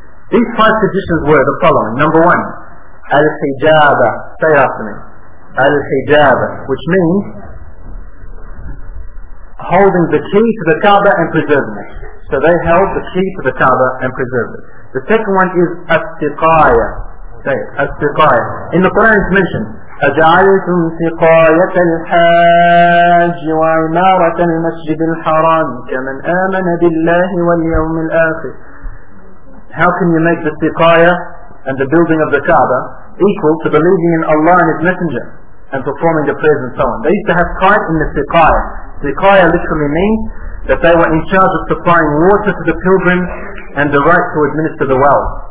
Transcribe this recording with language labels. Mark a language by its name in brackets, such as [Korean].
[English] These five traditions were the following. Number one, Al-Hijaba. Say after me. Al-Hijaba, which means holding the key to the Kaaba and preserving it. So they held the key to the Kaaba and preserved it. The second one is Al-Siqaya. Say it. Al-Siqaya. In the Quran it's mentioned, [Arabic] أَجَعَلْتُمْ سِقَايَةَ الْحَاجِ وَعِمَارَةَ الْمَسْجِدِ الْحَرَامِ كَمَنْ آمَنَ بِاللَّهِ وَالْيَوْمِ الْآخِرِ. [English] How can you make the siqaya and the building of the Kaaba equal to believing in Allah and His Messenger and performing the prayers and so on? They used to have pride in the siqaya. Siqaya literally means that they were in charge of supplying water to the pilgrims and the right to administer the well.